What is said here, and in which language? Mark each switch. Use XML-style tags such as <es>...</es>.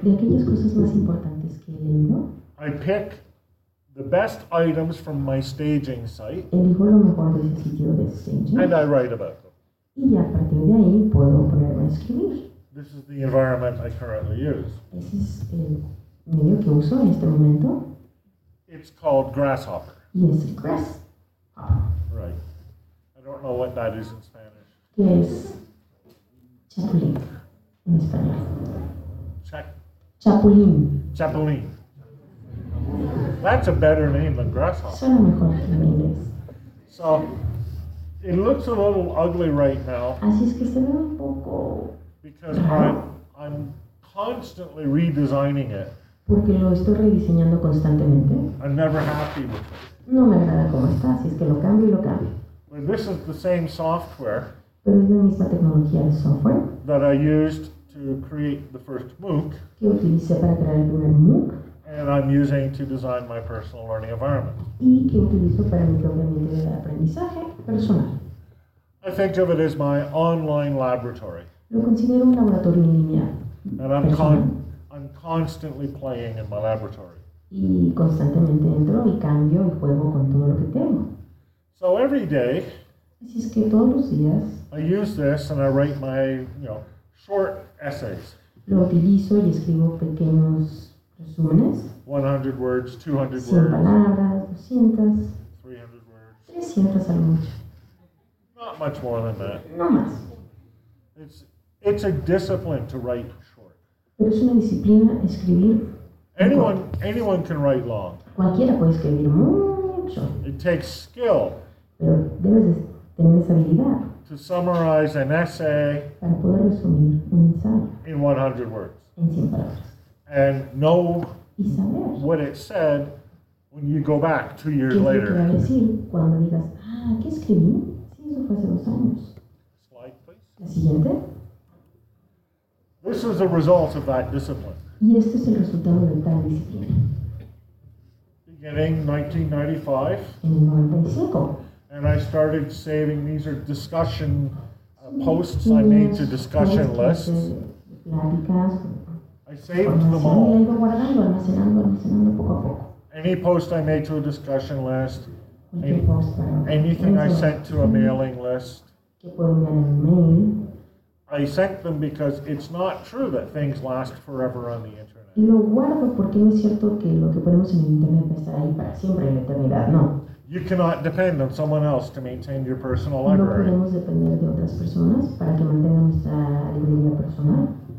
<es>De aquellas cosas más importantes que he leído.</es> <en>I pick the best items from my staging site.</en> <es>Elijo lo mejor de ese sitio de staging.</es> <en>And I write about them.</en> <es>Y a partir de ahí puedo ponerme a escribir.</es> <en>This is the environment I currently use.</en> <es>Ese es el medio que uso en este momento.</es> <en>It's called Grasshopper. Yes, Grasshopper. Right. I don't know what that is in Spanish. Yes. Chapulín. In Spanish. Chapulín. Chapulín. That's a better name than Grasshopper.</en> <es>Suena mejor que en inglés.</es> <en>So, it looks a little ugly right now.</en> <es>Así es que se ve un poco.</es> <en>Because I'm constantly redesigning it.</en> <es>Porque lo estoy rediseñando constantemente.</es> <en>I'm never happy with it.</en> <es>No me agrada cómo está, así es que lo cambio y lo cambio.</es> <en>But this is the same software.</en> <es>Pero es la misma tecnología de software.</es> <en>That I used to create the first MOOC.</en> <es>Que utilicé para crear el primer MOOC.</es> <en>And I'm using to design my personal learning environment.</en> <es>Y que utilizo para mi propio ambiente de aprendizaje personal.</es> <en>I think of it as my online laboratory.</en> <es>Lo considero un laboratorio en línea.</es> <en>And I'm personal. I'm constantly playing in my laboratory.</en> <es>Y constantemente entro y cambio y juego con todo lo que tengo.</es> <en>So every day,</en> <es>así es que todos los días,</es> <en>I use this and I write my, short essays.</en> <es>Lo utilizo y escribo pequeños resúmenes.</es> <en>100 words, 200 100 words.</en> <es>100 palabras, 200.</es> <en>300 words.</en> <es>300 a lo mucho.</es> <en>Not much more than that.</en> <es>No más.</es> <en>It's a discipline to write.</en> <es>Pero es una disciplina escribir.</es> <en>Anyone can write long.</en> <es>Cualquiera puede escribir mucho.</es> <en>It takes skill.</en> <es>Pero debes tener esa habilidad.</es> <en>To summarize an essay.</en> <es>Para poder resumir un ensayo.</es> <en>In 100 words.</en> <es>En 100 palabras.</es> <en>And know.</en> <es>Y saber.</es> <en>What it said when you go back 2 years later.</en> <es>¿Qué quiere decir cuando digas, qué escribí? Sí, eso fue hace 2 años.</es> <en>Slide, please.</en> <es>La siguiente.</es> <en>This is a result of that discipline.</en> <es>Y este es el resultado de tal disciplina.</es> <en>Beginning</en> <es>1995. En el 95.</es> <en>And I started saving, these are discussion posts I made to discussion lists.</en> <es>Pláticas,</es> <en>I saved them all.</en> <es>Almacenando poco a poco.</es> <en>Any post I made to a discussion list.</en> <es>Cualquier post para</es> <en>anything I sent to a mailing list.</en> <es>Cualquier que puedo enviar en mail.</es> <en>I sent them because it's not true that things last forever on the internet.</en> <es>Y lo guardo porque no es cierto que lo que ponemos en internet va a estar ahí para siempre, en la eternidad, no.</es> <en>You cannot depend on someone else to maintain your personal library.</en> <es>No podemos depender de otras personas para que mantengan nuestra librería personal.</es>